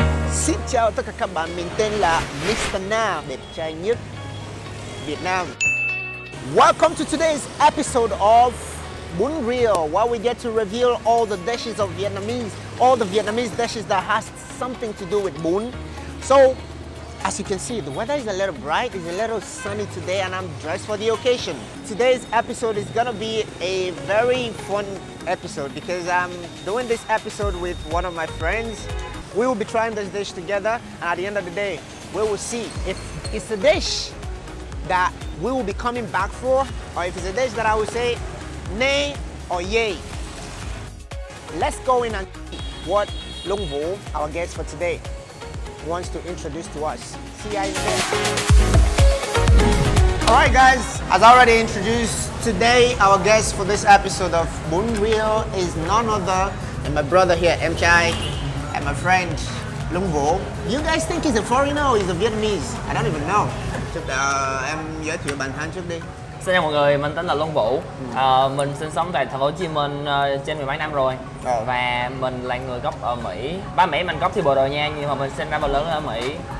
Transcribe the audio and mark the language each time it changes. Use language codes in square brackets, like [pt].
[vi] Xin chào tất cả các bạn, mình tên là Mr. Na, đẹp trai nhất Việt Nam. [en] Welcome to today's episode of Bún Riêu, where we get to reveal all the dishes of Vietnamese, all the Vietnamese dishes that has something to do with bún. So, as you can see, the weather is a little bright, it's a little sunny today, and I'm dressed for the occasion. Today's episode is gonna be a very fun episode because I'm doing this episode with one of my friends. We will be trying this dish together, and at the end of the day, we will see if it's a dish that we will be coming back for, or if it's a dish that I will say nay or yay. Let's go in and see what Long Vu, our guest for today, wants to introduce to us. See you guys then. All right, guys, as I already introduced, today our guest for this episode of Bún Riêu is none other than my brother here, MKI, and my friend, Long Vu. You guys think he's a foreigner or he's a Vietnamese? I don't even know. [vi] Em giới thiệu bản thân trước đi. Xin chào mọi người, mình tên là Long Vũ. Mình sinh sống tại thành phố Hồ Chí Minh trên mười mấy năm rồi. Và mình là người gốc ở Mỹ. Ba mẹ mình gốc thì Bồ Đào Nha nhưng mà mình sinh ra và lớn ở Mỹ.